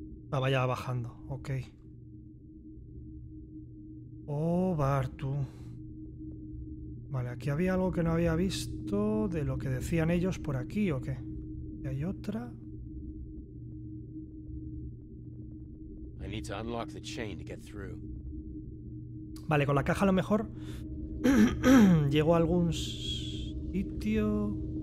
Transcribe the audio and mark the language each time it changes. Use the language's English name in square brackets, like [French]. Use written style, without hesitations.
[Spanish] La vaya bajando, ok. Oh, Bartu. Vale, aquí había algo que no había visto de lo que decían ellos por aquí, ¿o qué? ¿Y hay otra? [English] I need to unlock the chain to get through. [Spanish] Vale, con la caja a lo mejor llego a algún sitio.